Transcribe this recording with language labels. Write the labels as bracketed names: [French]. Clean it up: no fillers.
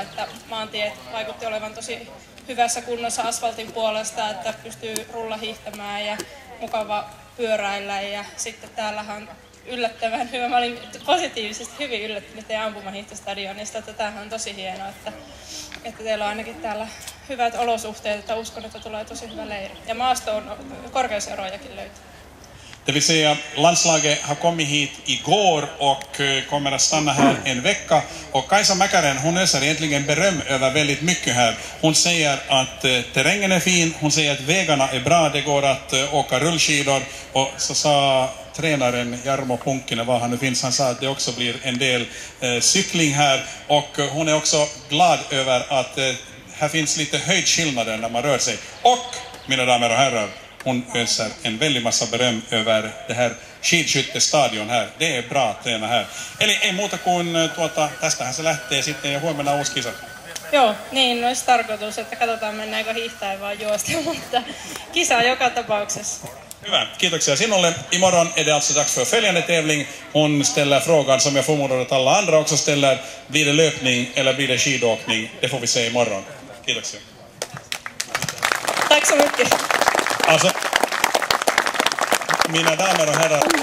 [Finnish] Että maantiet vaikutti olevan tosi hyvässä kunnossa asfaltin puolesta, että pystyy rullahiihtämään ja mukava pyöräillä. Ja sitten täällähän yllättävän hyvä. Mä olin positiivisesti hyvin yllättynyt teidän ampumahiihtostadionista, että tämähän on tosi hieno, että teillä on ainakin täällä hyvät olosuhteet, että uskon, että tulee tosi hyvä leiri. Ja maasto on korkeuserojakin löytyy. [Swedish] Det vill säga, landslaget har kommit hit igår och kommer att stanna här en vecka. Och Kajsa Mäkaren, hon öser egentligen beröm över väldigt mycket här. Hon säger att terrängen är fin, hon säger att vägarna är bra, det går att åka rullskidor. Och så sa tränaren Jarmo Punkkinen, var han nu finns, han sa att det också blir en del cykling här. Och hon är också glad över att här finns lite höjdskillnader när man rör sig. Och, mina damer och herrar, hon öser en väldig massa beröm över det här skidskyttestadion här. Det är bra att träna här. [Finnish] Eller ei muuta kuin tästähän se lähtee sitten ja huomenna uusi kisa. Joo, niin olisi tarkoitus, että katsotaan mennäänkö hiihtäen vaan juosta, mutta kisa joka tapauksessa. Hyvä, kiitoksia sinulle. [Swedish] Imorgon är det alltså dags för följande tävling. Hon ställer frågan som jag förmodar att alla andra också ställer. Blir det löpning eller blir det skidåkning? Det får vi se imorgon. Kiitoksia. Tack så mycket. Alltså, mina damer och herrar.